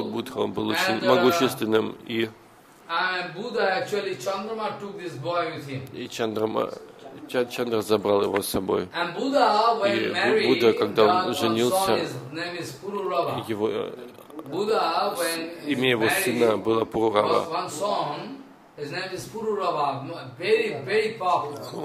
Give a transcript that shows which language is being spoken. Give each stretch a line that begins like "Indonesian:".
Russian: И Будха был очень могущественным, и
English: Buddha actually Chandrama took this boy with him.
Russian: И Чандра забрал его с собой.
English: And Buddha, when married,
Russian: и Будда, когда он женился, его
English: Buddha,
Russian: имя его
English: married,
Russian: сына было Пурурава.
English: His name is Pururava, very, very powerful.